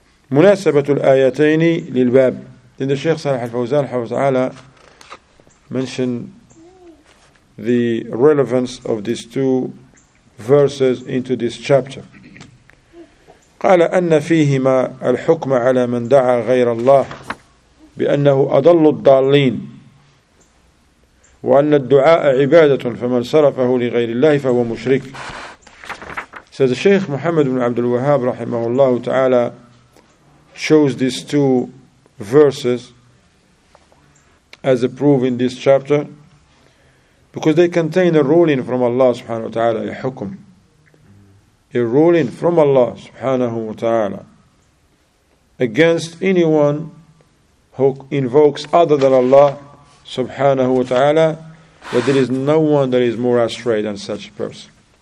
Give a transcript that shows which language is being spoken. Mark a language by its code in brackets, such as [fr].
[ar] مناسبة الآيتين للباب. [en] Then the Sheikh Salah al-Fawzan mentioned the relevance of these two verses into this chapter. [ar] قال أن فيهما الحكم على من دعا غير الله بأنه أضل الضالين وأن الدعاء عبادة فمن صرفه لغير الله فهو مشرك. [en] Says the Sheikh Muhammad ibn Abdul Wahhab [ar] رحمه الله تعالى [en] shows these two verses as a proof in this chapter, because they contain a ruling from Allah subhanahu wa ta'ala, a hukum, a ruling from Allah subhanahu wa ta'ala against anyone who invokes other than Allah subhanahu wa ta'ala, that there is no one that is more astray than such a person.